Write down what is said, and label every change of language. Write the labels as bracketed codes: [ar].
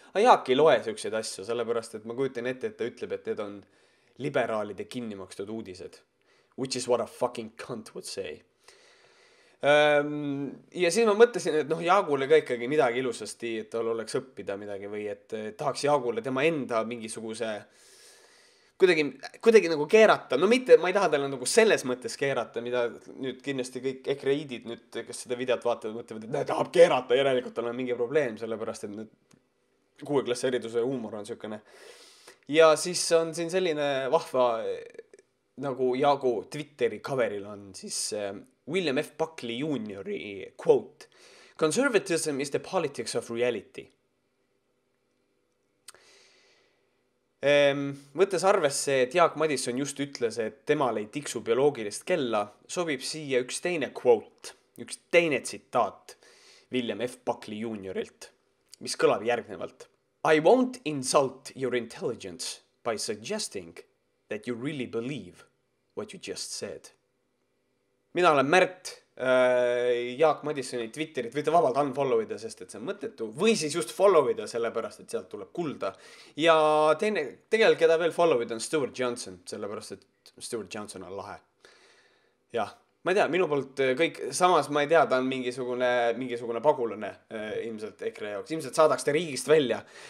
[et] Aga Jaak ei loe sellised asju, sellepärast, et ma kujutan ette, et ta ütleb, et need on liberaalide kinnimakstud uudised. [en] Which is what a fucking cunt would say. [et] Ja siis ma mõtlesin, et noh, Jaagule ka ikkagi midagi ilusasti, et tal oleks õppida midagi või et tahaks Jaagule tema enda mingisuguse kuidagi nagu keerata. No mitte, ma ei taha talle nagu selles mõttes keerata, mida nüüd kindlasti kõik ekreidid nüüd, kes seda videot vaatavad, mõtlevad, et näe, tahab keerata, järelikult tal on mingi probleem, sellepärast, et nüüd kuue klasse erituse huumor on sükkane. Ja siis on siin selline vahva, nagu Jaagu Twitteri coveril on siis... William F. Buckley Jr. [en] quote, conservatism is the politics of reality. [et] Võttes arvesse, et Jaak Madison just ütles, et temal ei tiksu bioloogilist kella, sobib siia üks teine quote, üks teine tsitaat William F. Buckley Jr.ilt, mis kõlab järgnevalt. [en] I won't insult your intelligence by suggesting that you really believe what you just said. [et] Mina olen Märt, Jaak Madisoni Twitterit, võite vabalt unfollowida, sest et see on mõtetu, või siis just followida sellepärast, et sealt tuleb kulda. Ja teine, tegelikult keda veel followid on Stuart Johnson, sellepärast, et Stuart Johnson on lahe. Ja ma ei tea, minu poolt kõik, samas ma ei tea, ta on mingisugune pagulane ilmselt EKRE jaoks, ilmselt saadaks te riigist välja.